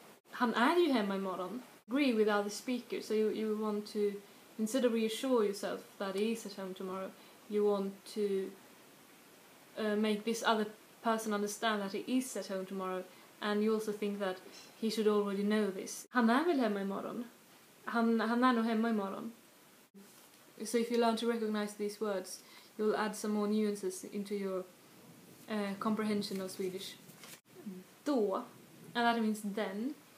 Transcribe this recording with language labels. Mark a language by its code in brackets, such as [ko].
[sv] Han är ju hemma imorgon. [en] Agree with other speakers, so you want to, instead of reassure yourself that he is at home tomorrow, you want to make this other person understand that he is at home tomorrow, and you also think that he should already know this. [sv] Han är väl hemma imorgon? Han är nog hemma imorgon. [en] So if you learn to recognize these words, you'll add some more nuances into your comprehension of Swedish. Då, and that means then,